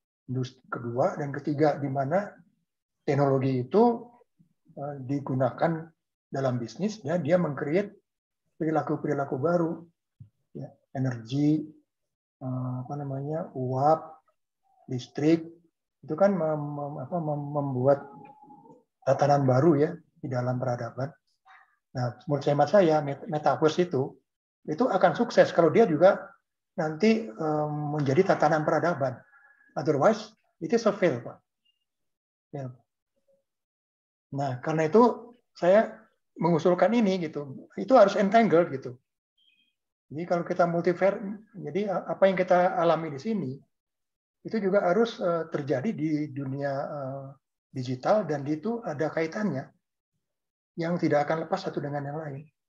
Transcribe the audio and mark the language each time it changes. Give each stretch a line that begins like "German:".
Indonesian: industri kedua dan ketiga di mana teknologi itu digunakan dalam bisnis, ya, dia mengcreate perilaku-perilaku baru, ya, energi, apa namanya, uap, listrik, itu kan membuat tatanan baru ya di dalam peradaban. Nah, menurut hemat saya metaverse itu akan sukses kalau dia juga nanti menjadi tatanan peradaban.
English: Otherwise, it is a fail, Pak.
Indonesian: Ya. Nah, karena itu saya mengusulkan ini gitu. Itu harus entangled gitu. Jadi kalau kita multiver, jadi apa yang kita alami di sini itu juga harus terjadi di dunia digital dan itu ada kaitannya yang tidak akan lepas satu dengan yang lain.